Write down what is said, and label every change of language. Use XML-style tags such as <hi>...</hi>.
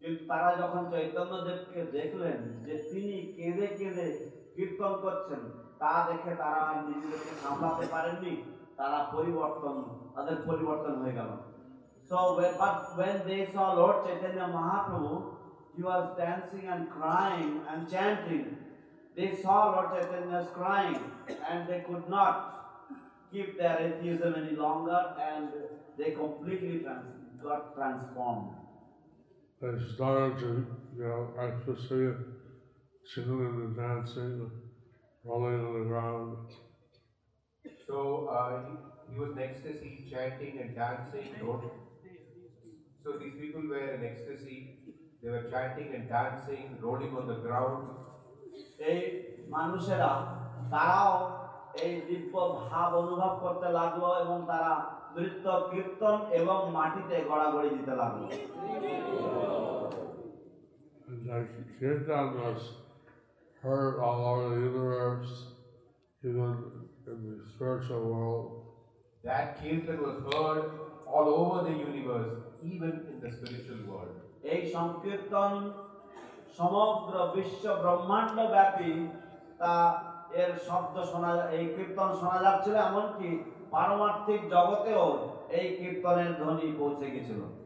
<bn>তারা যখন চৈতন্যদেব কে দেখলেন যে তিনি কেঁদে কেঁদে কীর্তন করছেন তা দেখে তারা নিজেদেরকে সামলাতে পারেননি তারা পরিবর্তন তাদের পরিবর্তন হয়ে গেল.</bn> <en>So when they saw Lord Chaitanya Mahaprabhu, he was dancing and crying and chanting. They saw Lord Chaitanya's crying and they could not keep their atheism any longer and they completely got transformed. They started to, actually singing and dancing, rolling on the ground. So he was next to see chanting and dancing. So these people were in ecstasy. They were chanting and dancing, rolling on the ground.</en> <bn>এই মানুষেরা তারাও এই দিব্য ভাব অনুভব করতে লাগলো এবং তারা নৃত্য কীর্তন এবং মাটিতে গড়াগড়ি দিতে লাগলো.</bn> <en>And like Kirtan was heard all over the universe, even in the spiritual world. That Kirtan was heard all over the universe, even in the spiritual world.</en> <bn>এই সংকীর্তন সমগ্র বিশ্ব ব্রহ্মাণ্ড ব্যাপী তা এর শব্দ শোনা এই কীর্তন শোনা যাচ্ছিল এমনকি পারমার্থিক জগতেও এই কীর্তনের ধ্বনি পৌঁছে গেছিল.</bn>